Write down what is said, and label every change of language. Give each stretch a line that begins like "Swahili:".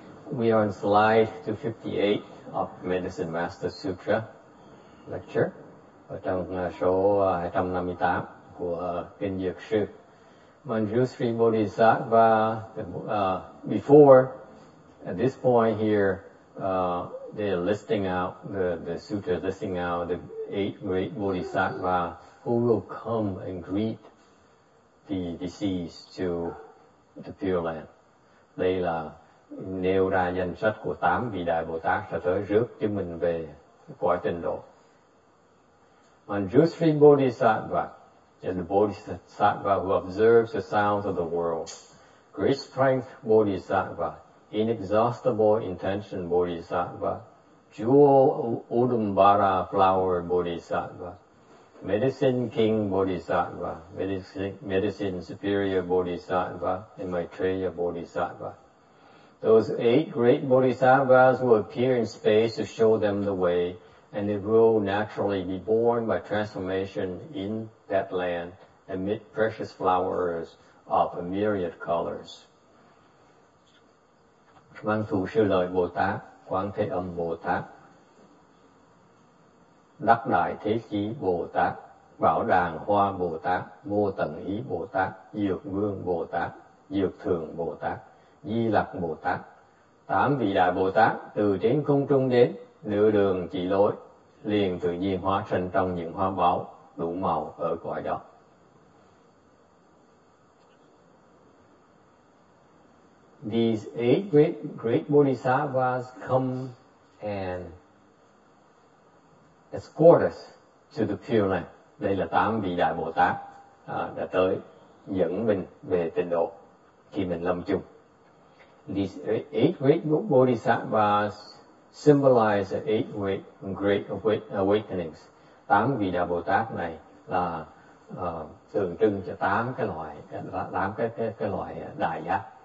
English: We are on slide 258 of Medicine Master Sutra lecture.
Vietnamese: Ở trong số 258 của Kinh Dược Sư.
English: Manjushri Bodhisattva, before, at this point here, they're listing out the sutra, listing out the eight great bodhisattva who will come and greet the deceased to the Pure Land.
Vietnamese: Đây là nêu ra danh sách của tám vị đại Bồ Tát sẽ tới rước chúng mình về cõi tịnh độ.
English: Manjushri Bodhisattva is the bodhisattva who observes the sounds of the world. Great strength bodhisattva, inexhaustible intention bodhisattva, Jewel Udumbara Flower Bodhisattva, Medicine King Bodhisattva, Medicine Superior Bodhisattva, and Maitreya Bodhisattva. Those eight great bodhisattvas will appear in space to show them the way, and they will naturally be born by transformation in that land amid precious flowers of a myriad colors.
Vietnamese: Văn thù sư lợi Bồ Tát, Quán Thế Âm Bồ Tát, Đắc Đại Thế Chí Bồ Tát, Bảo Đàng Hoa Bồ Tát, Vô Tận Ý Bồ Tát, Dược Vương Bồ Tát, Dược Thường Bồ Tát, Di Lặc Bồ Tát, Tám vị Đại Bồ Tát từ trên không trung đến, nửa đường chỉ lối, liền tự nhiên hóa thân trong những hoa báo đủ màu ở cõi đó.
English: These eight great bodhisattvas come and escort us to the Pure Land.
Vietnamese: Đây là tám vị Đại Bồ Tát đã tới dẫn mình về tịnh độ khi mình lâm chung.
English: These eight great bodhisattvas symbolize the eight great awakenings.
Vietnamese: Tám vị Đại Bồ Tát này là tượng trưng cho tám cái loại đại giác.